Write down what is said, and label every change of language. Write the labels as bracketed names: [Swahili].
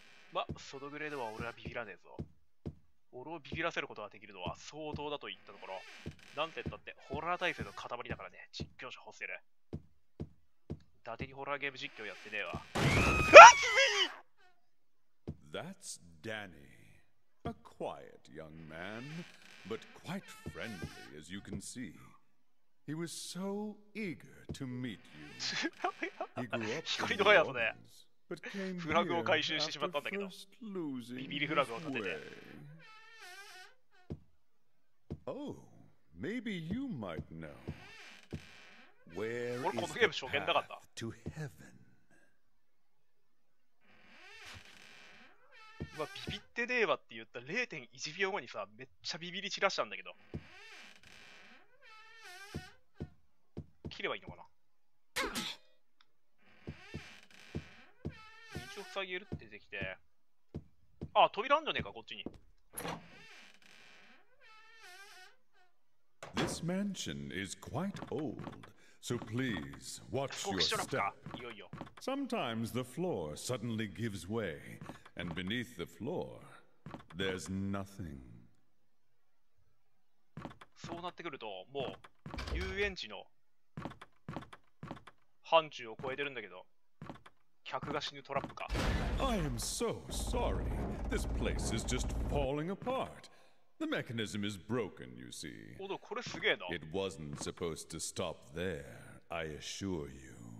[Japanese] ま、そのぐらいでは俺はビビらねえぞ。俺をビビらせることができるのは相当だと言ったところ。なんて言ったってホラー体制の塊だからね、実況者ホステル。伊達にホラーゲーム実況やってねえわ。 [English] That's Danny, a quiet young man, but quite friendly as you can see. He was so eager to meet you. He grew up in New Orleans, but came here after first losing his way. Oh, maybe you might know. Where is the path to heaven? [Japanese] まあ、ビビってねえわって言った 0.1 秒後にさ、めっちゃビビり散らしたんだけど。切ればいいのかな。道を塞げるって出てきて。あ、扉あんじゃねえか、こっちに。 [English] This mansion is quite old, so please watch your step. Sometimes the floor suddenly gives way, and beneath the floor, there's nothing. [Japanese] そうなってくると、もう遊園地の範疇を超えてるんだけど、客が死ぬトラップか。 [English] I am so sorry. This place is just falling apart. The mechanism is broken, you see. It wasn't supposed to stop there, I assure you.